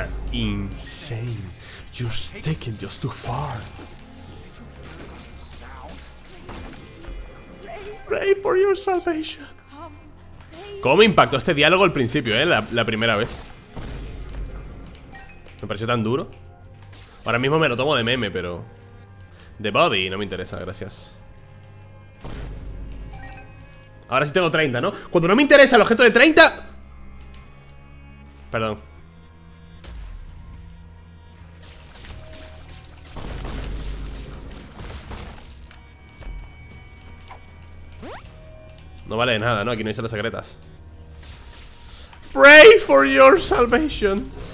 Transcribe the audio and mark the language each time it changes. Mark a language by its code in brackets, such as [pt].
[en] Insane. You're taking this too far. Pray for your salvation. [es] ¿Cómo me impactó este diálogo al principio, eh? La primera vez. Me pareció tan duro. Ahora mismo me lo tomo de meme, pero The Body, no me interesa, gracias. Ahora sí tengo 30, ¿no? Cuando no me interesa el objeto de 30. Perdón. No vale de nada, ¿no? Aquí no hay salas secretas. [en] Pray for your salvation.